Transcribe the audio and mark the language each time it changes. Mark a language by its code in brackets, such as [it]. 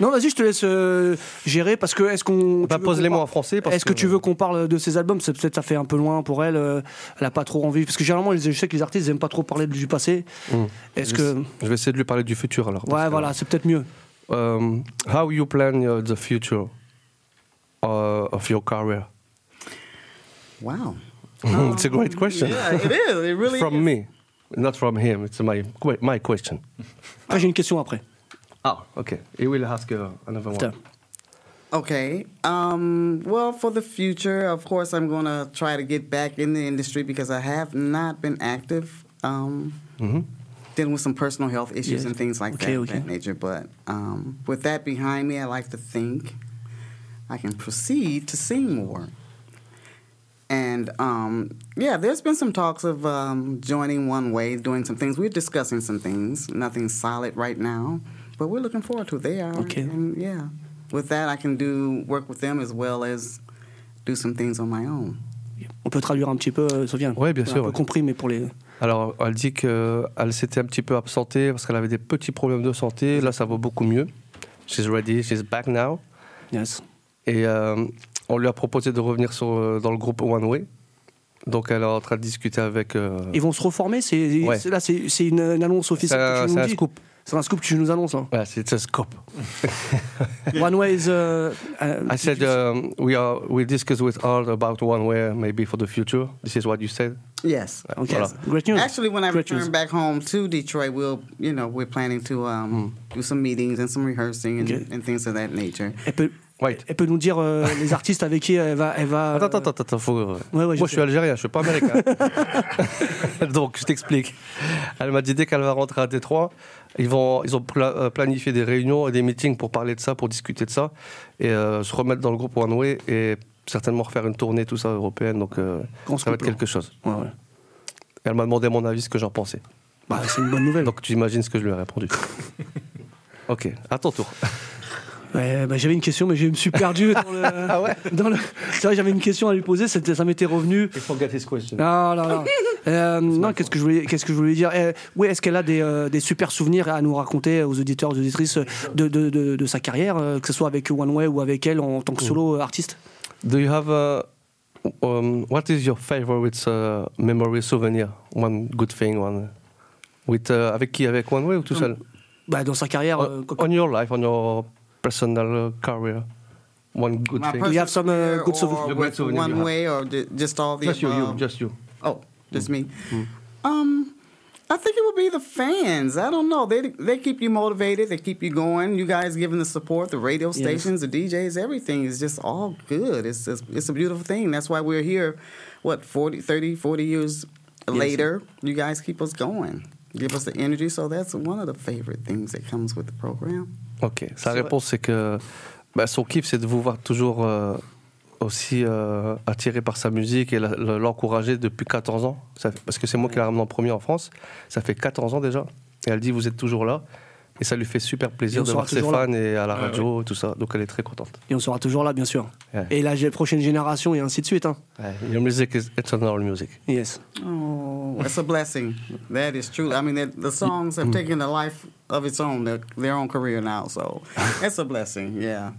[fr] Non, vas-y, je te laisse gérer parce que est-ce qu'on. Bah, pose les mots en français. Parce est-ce que tu veux qu'on parle de ses albums ? C'est, peut-être ça fait un peu loin pour elle. Elle n'a pas trop envie. Parce que généralement, je sais que les artistes n'aiment pas trop parler du passé. Mmh. Est-ce je, que... je vais essayer de lui parler du futur alors. Ouais, que, voilà, c'est peut-être mieux. [en] How you plan the future of your career? Wow. It's a great question. Yeah, it is. It really from is. Me. Not from him. It's my question. [fr] Ah, j'ai une question après. [en] Ah, oh, okay. He will ask another one. Okay. Well, for the future, of course, I'm going to try to get back in the industry because I have not been active dealing with some personal health issues and things like that nature. But with that behind me, I like to think I can proceed to sing more. And, yeah, there's been some talks of joining One Way, doing some things. We're discussing some things. Nothing solid right now. But we're looking forward to it. They are. Okay. And, yeah. With that, I can do work with them as well as do some things on my own. [fr] On peut traduire un petit peu, Sofiane. Oui, bien sûr. Un peu compris, mais pour les... Alors, elle dit qu'elle s'était un petit peu absentée parce qu'elle avait des petits problèmes de santé. Là, ça va beaucoup mieux. [en] She's ready. She's back now. Yes. [fr] Et... on lui a proposé de revenir sur, dans le groupe One Way. Donc elle est en train de discuter avec... Ils vont se reformer c'est, là, c'est une annonce officielle c'est un, que tu c'est nous un scoop. C'est un scoop que tu nous annonces. Ouais, c'est un scoop. [en] One Way is... I said, we discuss with all about One Way, maybe for the future. This is what you said? Yes. Okay. Voilà. Yes. Great news. Actually, when I great return news. Back home to Detroit, we'll, you know, we're planning to do some meetings and some rehearsing and things of that nature. [fr] Et puis... [en] Right. [fr] Elle peut nous dire les artistes avec qui elle va. Elle va Attends. Faut... Ouais, moi, je suis algérien, je ne suis pas américain. Donc, je t'explique. Elle m'a dit dès qu'elle va rentrer à Détroit, ils ont planifié des réunions et des meetings pour parler de ça, pour discuter de ça, et se remettre dans le groupe One Way et certainement refaire une tournée, tout ça, européenne. Donc, ça va être quelque chose. Ouais. Elle m'a demandé mon avis, ce que j'en pensais. Bah, c'est une bonne nouvelle. Donc, tu imagines ce que je lui ai répondu. Ok, à ton tour. Bah, j'avais une question, mais je me suis perdu dans le. Ah ouais. Dans le. C'est vrai, j'avais une question à lui poser. C'était, ça m'était revenu. [en] I forgot his question. [fr] Ah là là. non, qu'est-ce que je voulais dire. Oui, est-ce qu'elle a des super souvenirs à nous raconter aux auditeurs, aux auditrices de sa carrière, que ce soit avec One Way ou avec elle en tant que solo artiste. [en] Do you have what is your favorite memory souvenir? One good thing, one with [fr] avec qui, avec One Way ou tout seul? Bah dans sa carrière. [en] On your life, on your personal career, one good my thing. We have some good souvenirs. One Way or just all the just above. Just you. Oh, just me. Mm. I think it would be the fans. I don't know. They keep you motivated. They keep you going. You guys giving the support, the radio stations, the DJs, everything is just all good. It's a beautiful thing. That's why we're here, what, 40 years later. You guys keep us going. Give us the energy. So that's one of the favorite things that comes with the program. [fr] Ok, sa réponse c'est que bah, son kiff c'est de vous voir toujours aussi attiré par sa musique et l'encourager depuis 14 ans, ça fait, parce que c'est moi qui l'ai ramené en premier en France, ça fait 14 ans déjà, et elle dit vous êtes toujours là, et ça lui fait super plaisir de voir ses fans là. Et à la radio et tout ça, donc elle est très contente. Et on sera toujours là bien sûr, et la prochaine génération et ainsi de suite. Hein. [en] Yeah. Your music is eternal music. Yes. Oh, that's a blessing, that is true, I mean the songs have taken a life... of its own, their own career now, so it's a blessing, yeah.